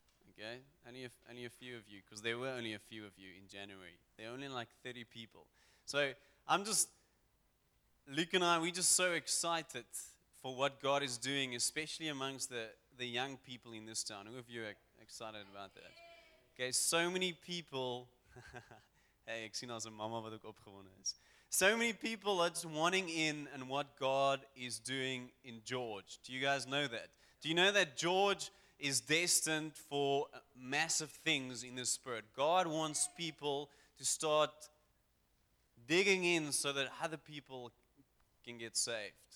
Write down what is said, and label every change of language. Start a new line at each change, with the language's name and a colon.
English: Okay, only a few of you, because there were only a few of you in January. There are only like 30 people. So I'm just, Luke and I, we're just so excited for what God is doing, especially amongst the young people in this town. Who of you are excited about that? Okay, so many people, hey,
Afrikaans: ek sien as 'n mama wat ook opgewonde is.
English: So many people are just wanting in on what God is doing in George. Do you guys know that? Do you know that George is destined for massive things in the Spirit? God wants people to start digging in so that other people can get saved.